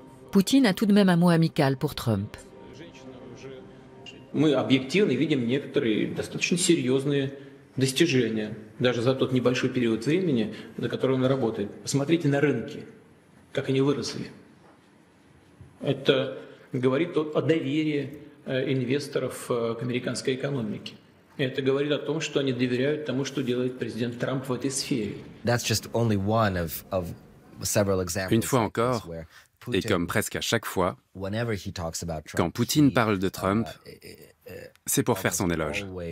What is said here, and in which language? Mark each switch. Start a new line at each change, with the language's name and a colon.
French: Poutine a tout de même un mot amical pour Trump.
Russian: Мы объективно видим некоторые достаточно серьезные достижения, даже за тот небольшой период времени, на который он работает. Посмотрите на рынки, как они выросли. Это говорит о доверии инвесторов к американской экономике. Это говорит о том, что они доверяют тому, что делает президент Трамп в этой сфере.
English: That's just only one of several examples.
French: Une fois encore, et comme presque à chaque fois, quand Poutine parle de Trump, c'est pour faire son éloge.